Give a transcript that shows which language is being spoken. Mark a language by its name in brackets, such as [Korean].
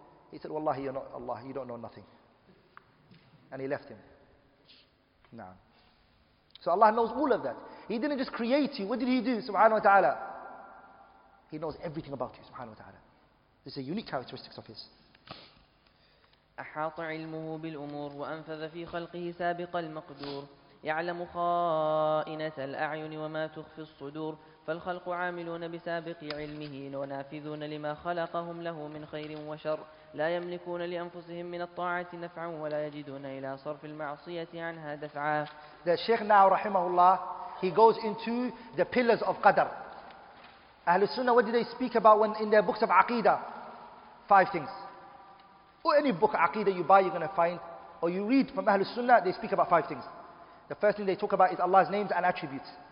[English] He said, wallahi, you're not Allah, you don't know nothing. And he left him. Nah. So Allah knows all of that. He didn't just create you. What did He do? Subhanahu wa ta'ala. He knows everything about you, subhanahu wa ta'ala. This is a unique characteristic of His. [Arabic] أحاط علمه بالأمور وأنفذ في خلقه سابق المقدور يعلم خائنة الأعين وما تخفي الصدور فالخلق عاملون بسابق علمه ونافذون لما خلقهم له من خير وشر لا يملكون لأنفسهم من الطاعة نفعا ولا يجدون إلى صرف المعصية عنها دفعا. [English] The Sheikh now رحمه الله, he goes into the pillars of Qadr. Ahlul Sunnah, what do they speak about when in their books of Aqidah? Five things. Or any book Aqidah you buy, you're going to find, or you read from Ahlul Sunnah, they speak about five things. The first thing they talk about is Allah's names and attributes.